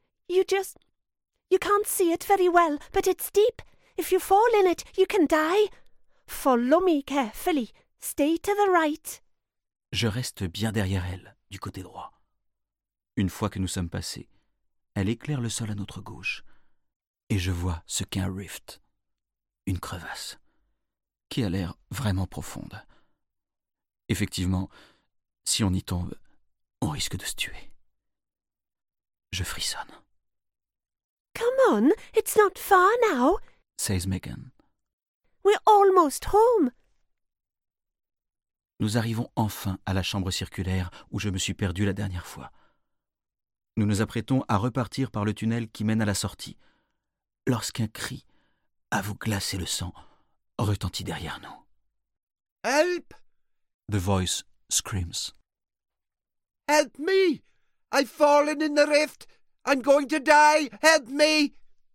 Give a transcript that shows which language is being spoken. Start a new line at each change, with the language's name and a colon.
English: You can't see it very well, but it's deep. If you fall in it, you can die. Follow me carefully. Stay to the right.
French: Je reste bien derrière elle, du côté droit. Une fois que nous sommes passés, elle éclaire le sol à notre gauche et je vois ce qu'est un rift, une crevasse, qui a l'air vraiment profonde. Effectivement, si on y tombe, on risque de se tuer. Je frissonne.
English: Come on, it's not far now, says Megan. We're almost home.
French: Nous arrivons enfin à la chambre circulaire où je me suis perdu la dernière fois. Nous nous apprêtons à repartir par le tunnel qui mène à la sortie, lorsqu'un cri, à vous glacer le sang, retentit derrière nous.
English: Help! The voice screams. Help me! I've fallen in the rift! I'm going to die! Help me!